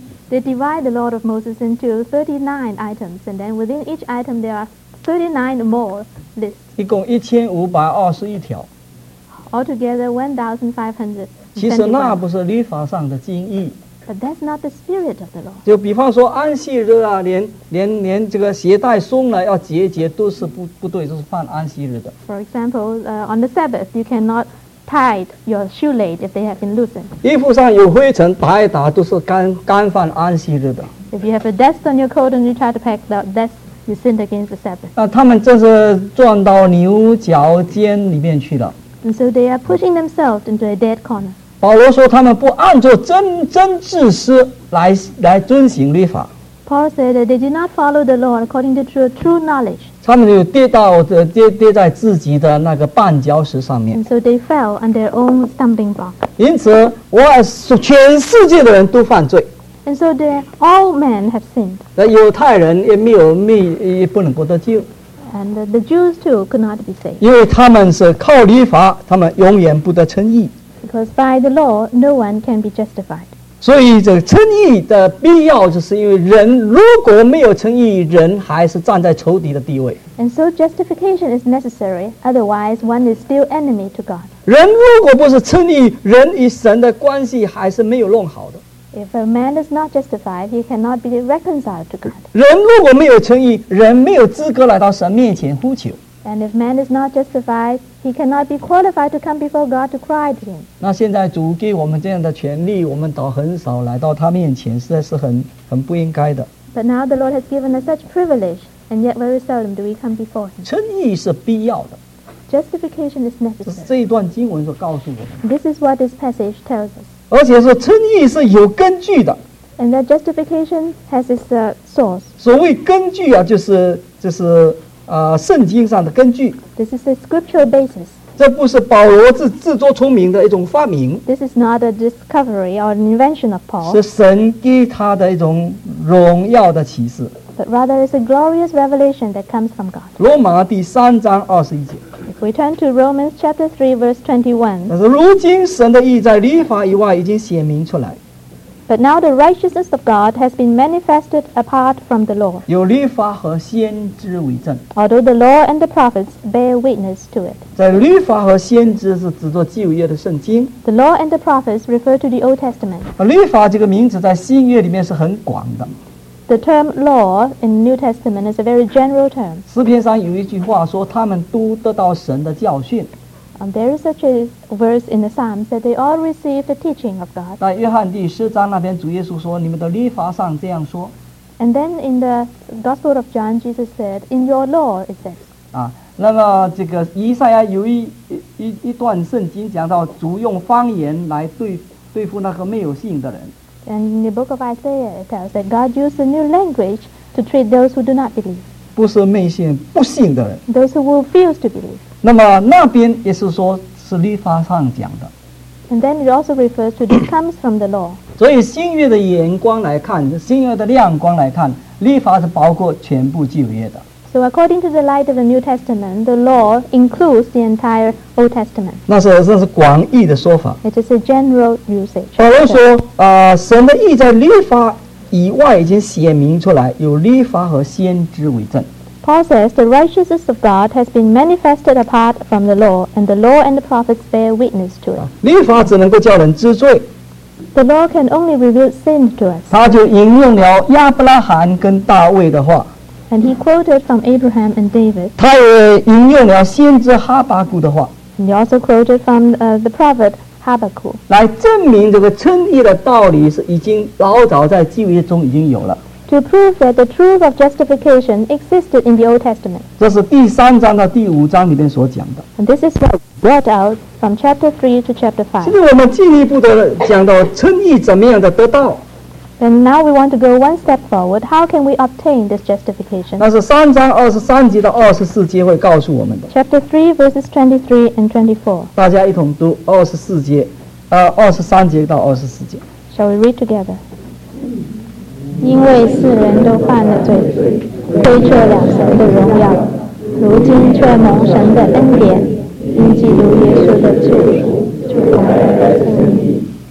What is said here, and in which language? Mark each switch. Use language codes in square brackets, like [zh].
[en] They divide the law of Moses into 39 items, and then within each item there are 39 more lists. [zh] 一共1521条。 [en] Altogether 1,500. [zh] 其实那不是律法上的精义。 [en] But that's not the spirit of the law. [zh] 就比方说安息日啊，连这个鞋带松了要结结都是不对，都是犯安息日的。 [en] For example, on the Sabbath you cannot. Tied your shoelace if they have been loosened. [zh] 衣服上有灰尘，打一打都是干犯安息日的。 [en] If you have a dust on your coat and you try to pack the dust, you sin against the Sabbath. [zh] 那他们这是转到牛角尖里面去了。 [en] And so they are pushing themselves into a dead corner. [zh] 保罗说他们不按照真知识来遵行律法。 [en] Paul said that they did not follow the law according to true knowledge. [zh] 他们就跌在自己的那个绊脚石上面。 [en] And so they fell on their own stumbling block. [zh] 因此，我全世界的人都犯罪。 [en] And so they all men have sinned. [zh] 犹太人也不能够得救。 [en] And the Jews too could not be saved. [zh] 因为他们是靠律法，他们永远不得称义。 [en] Because by the law, no one can be justified. [zh] 所以这个称义的必要，就是因为人如果没有称义，人还是站在仇敌的地位。 [en] And so justification is necessary; otherwise, one is still enemy to God. [zh] 人如果不是称义，人与神的关系还是没有弄好的。 [en] If a man is not justified, he cannot be reconciled to God. [zh] 人如果没有称义，人没有资格来到神面前呼求。 [en] And if man is not justified, he cannot be qualified to come before God to cry to him. [zh] 那现在主给我们这样的权利，我们倒很少来到他面前，实在是很不应该的。 [en] But now the Lord has given us such privilege, and yet very seldom do we come before him. [zh] 称义是必要的。 [en] Justification is necessary. [zh] 这一段经文所告诉我们。 [en] This is what this passage tells us. [zh] 而且说称义是有根据的。 [en] And that justification has its source. [zh] 所谓根据啊，就是。圣经上的根据。 [en] This is a scriptural basis. [zh] 这不是保罗自作聪明的一种发明。 [en] This is not a discovery or an invention of Paul. [zh] 是神给他的一种荣耀的启示。 [en] But rather, it's a glorious revelation that comes from God. [zh] 罗马第三章二十一节。 [en] If we turn to Romans chapter 3 verse 21. [zh] 但是如今神的义在律法以外已经显明出来。 [en] But now the righteousness of God has been manifested apart from the law. [zh] 有律法和先知为证。 [en] Although the law and the prophets bear witness to it. [zh] 在律法和先知是指着旧约的圣经。 [en] The law and the prophets refer to the Old Testament. [zh] 律法这个名词在新约里面是很广的。 [en] The term law in the New Testament is a very general term. [zh] 诗篇上有一句话说，他们都得到神的教训。 [en] There is such a verse in the Psalms that they all receive the teaching of God. [zh] 在约翰第十章那边，主耶稣说：“你们的律法上这样说。” [en] And then in the Gospel of John, Jesus said, "In your law it says." [zh] 啊，那么这个以赛亚有一段圣经讲到主用方言来对付那个没有信的人。 [en] And in the Book of Isaiah, it tells that God used a new language to treat those who do not believe. [zh] 不是没信，不信的人。 [en] Those who refuse to believe. [zh] 那么那边也是说是律法上讲的。 [en] And then it also refers to this comes from the law. [zh] 所以新约的眼光来看，新约的亮光来看，律法是包括全部旧约的。 [en] So according to the light of the New Testament, the law includes the entire Old Testament. [zh] 那是广义的说法。 [en] It is a general usage. [zh] 保罗说，神的义在律法以外已经显明出来，有律法和先知为证。 [en] Paul says the righteousness of God has been manifested apart from the law, and the law and the prophets bear witness to it. [zh] 律法只能够叫人知罪。 [en] The law can only reveal sin to us. [zh] 他就引用了亚伯拉罕跟大卫的话。 [en] And he quoted from Abraham and David. [zh] 他也引用了先知哈巴谷的话。 [en] And he also quoted from the prophet Habakkuk. [zh] 来证明这个称义的道理是已经老早在旧约中已经有了。 [en] To prove that the truth of justification existed in the Old Testament. [zh] 这是第三章到第五章里面所讲的。 [en] And this is what brought out from chapter 3 to chapter 5. [zh] 现在我们进一步的讲到称义怎么样的得到。 [en] And now we want to go one step forward. How can we obtain this justification? [zh] 那是三章二十三节到二十四节会告诉我们的。 [en] Chapter 3 verses 23 and 24. [zh] 大家一同读二十四节，二十三节到二十四节。 [en] Shall we read together? [zh] 因为世人都犯了罪，亏缺了神的荣耀，如今却蒙神的恩典，因基督耶稣的救赎，就蒙了称义。